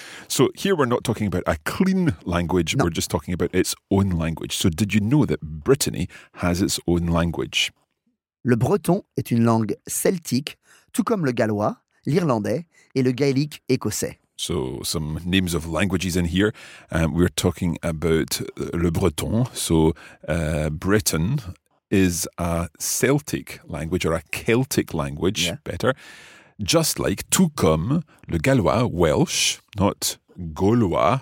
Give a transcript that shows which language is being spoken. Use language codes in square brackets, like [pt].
[en] So here we're not talking about a clean language, no. we're just talking about its own language. So did you know that Brittany has its own language? [fr] Le breton est une langue celtique, tout comme le gallois, l'irlandais et le gaélique écossais. [en] So some names of languages in here. We're talking about le breton. So Breton is a Celtic language or a Celtic language, yeah. better. Just like, [fr] tout comme le gallois, [en] Welsh, not Gaulois,